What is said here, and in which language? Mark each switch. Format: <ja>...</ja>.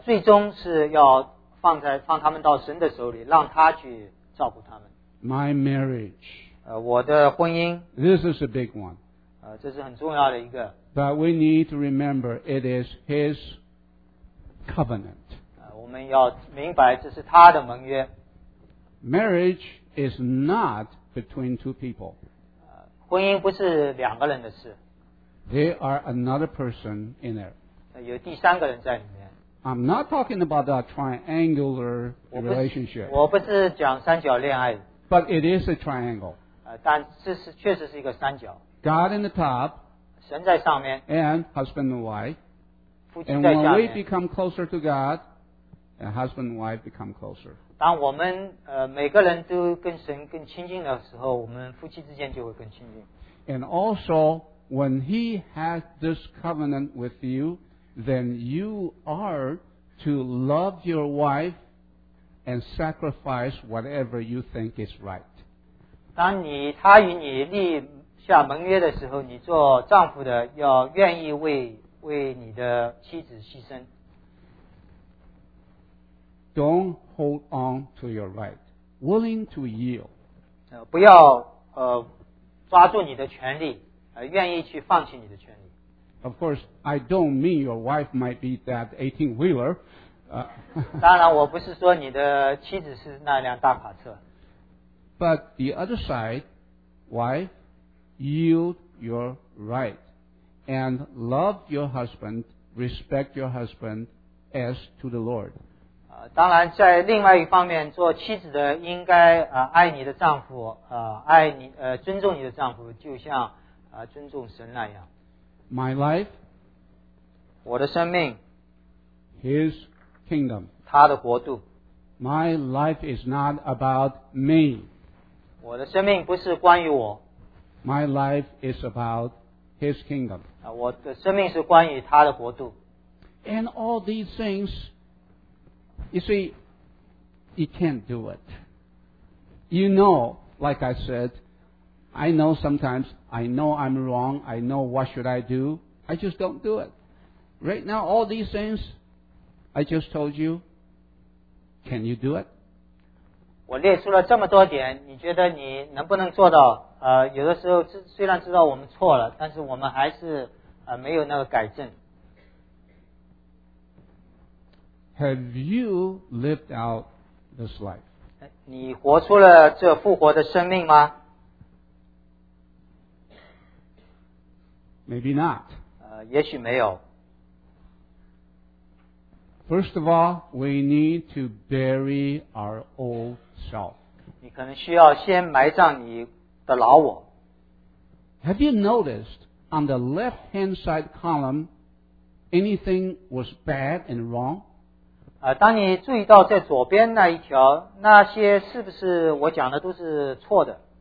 <zh>最终是要放他们到神的手里，让他去照顾他们。</zh> <en>My marriage.</en> <zh>我的婚姻,</zh> <en>this is a big one.</en> <zh>这是很重要的一个。</zh> <en>But we need to remember it is His covenant.</en> <zh>我们要明白这是他的盟约。</zh> <en>Marriage is not between two people.</en> <zh>婚姻不是两个人的事。</zh> <en>There are another person in there.</en> <zh>有第三个人在里面。</zh> <en>I'm not talking about a triangular relationship.</en> <zh>我不是讲三角恋爱。</zh> <en>But it is a triangle.</en> <zh>但这是确实是一个三角。</zh> <en>God in the top,</en> <zh>神在上面</zh> <en>，and husband and wife,</en> <zh>夫妻在下面。</zh> <en>And when we become closer to God, and husband and wife become closer.</en> <zh>当我们每个人都跟神更亲近的时候，我们夫妻之间就会更亲近。</zh> <en>And also, when He has this covenant with you, then you are to love your wife and sacrifice whatever you think is right.</en> <zh>当你他与你立下盟约的时候，你做丈夫的要愿意为你的妻子牺牲。</zh> <en>Don't hold on to your right, willing to yield.</en> <zh>不要抓住你的权利，愿意去放弃你的权利。</zh> <en>Of course, I don't mean your wife might be that 18-wheeler.</en> <zh>当然，我不是说你的妻子是那辆大卡车。</zh> <en>But the other side, wife, yield your right and love your husband, respect your husband as to the Lord.</en> <zh>当然在另外一方面做妻子的应该爱你的丈夫爱你尊重你的丈夫就像尊重神那样。</zh> <en>My life,</en> <zh>我的生命</zh> <en>His kingdom,</en> <zh>他的国度。</zh> <en>My life is not about me.</en> <zh>我的生命不是关于我。</zh> <en>My life is about His kingdom.</en> <zh>我的生命是关于他的国度。</zh> <en>And all these things, you see, you can't do it. You know, like I said, I know sometimes, I know I'm wrong, I know what should I do, I just don't do it. Right now, all these things, I just told you, can you do it?</en> <zh>我列出了这么多点，你觉得你能不能做到？有的时候虽然知道我们错了，但是我们还是没有那个改正。</zh> <en>Have you lived out this life?</en> <zh>你活出了这复活的生命吗？</zh> <en>Maybe not.</en> <zh>也许没有。</zh> <en>First of all, we need to bury our old self.</en> <zh>你可能需要先埋葬你的老我。</zh> <en>Have you noticed on the left-hand side column, anything was bad and wrong?</en> <zh>当你注意到在左边那一条，那些是不是我讲的都是错的？</zh>